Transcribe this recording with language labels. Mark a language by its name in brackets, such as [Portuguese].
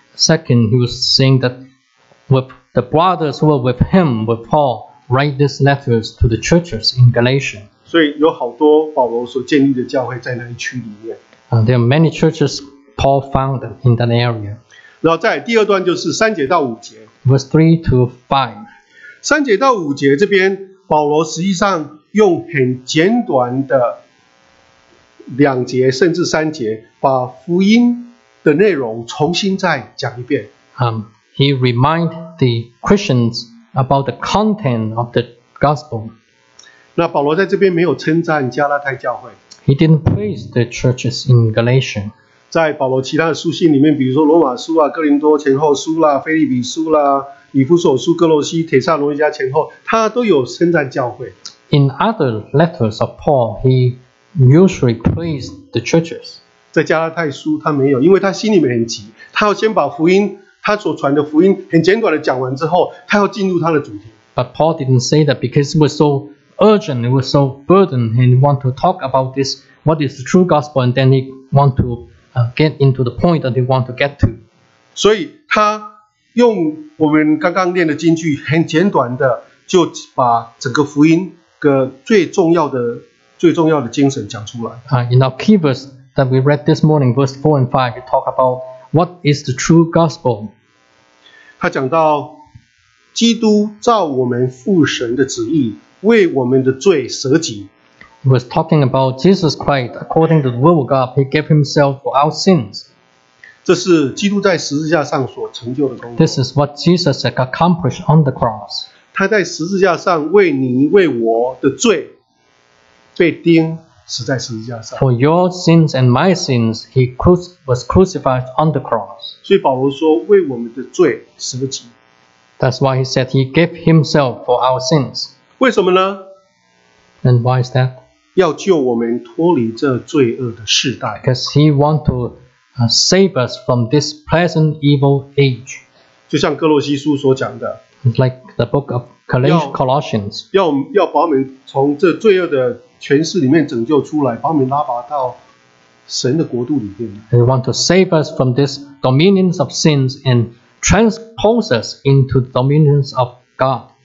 [English] Second, he was saying that with the brothers who were with him, with Paul, write these letters to the churches in Galatia. [Chinese] 所以有好多保罗所建立的教会在那一区里面。 [English] There are many churches Paul founded in that area. [Chinese] 然后再来第二段就是三节到五节, [English] verse 3 to 5. [Chinese] 三节到五节这边, 保罗实际上用很简短的两节, 甚至三节, 把福音的内容重新再讲一遍。 [English] He reminded the Christians about the content of the gospel. [Chinese] 那保罗在这边没有称赞加拉太教会。 [English] He didn't praise the churches in Galatia. [Chinese] 在保罗其他的书信里面，比如说罗马书啊、哥林多前后书啦、腓立比书啦、以弗所书、哥罗西、帖撒罗尼迦前后，他都有称赞教会。 [English] In other letters of Paul, he usually praised the churches. [Chinese] 在加拉太书他没有，因为他心里面很急，他要先把福音，他所传的福音很简短的讲完之后，他要进入他的主题。 [English] But Paul didn't say that because it was so urgent, it was so burdened, and he wanted to talk about this, what is the true gospel, and then he wanted to get into the point that he wanted to get to. [Chinese] 所以他用我们刚刚念的经句很简短的就把整个福音的最重要的精神讲出来。 [English] In our key verse that we read this morning, verse 4 and 5, we talk about what is the true gospel. [Chinese] 他讲到基督照我们父神的旨意为我们的罪舍己。 [English] He was talking about Jesus Christ according to the will of God. He gave himself for our sins. [Chinese] 这是基督在十字架上所成就的功。 [English] This is what Jesus accomplished on the cross. [Chinese] 他在十字架上为你为我的罪被钉死在十字架上。 [English] For your sins and my sins, he was crucified on the cross. [Chinese] 所以保罗说为我们的罪舍己。 [English] That's why he said he gave himself for our sins. [Chinese] 为什么呢？ [English] And why is that? [Chinese] 要救我们脱离这罪恶的世代。 [English] Because he wants to save us from this present evil age. [Chinese] 就像哥罗西书所讲的。 [English] Like the book of Colossians. [Chinese] 要把我们从这罪恶的权势里面拯救出来，把我们拉拔到神的国度里面。 [English] He wants to save us from this dominion of sins and transpose us into the dominions of God.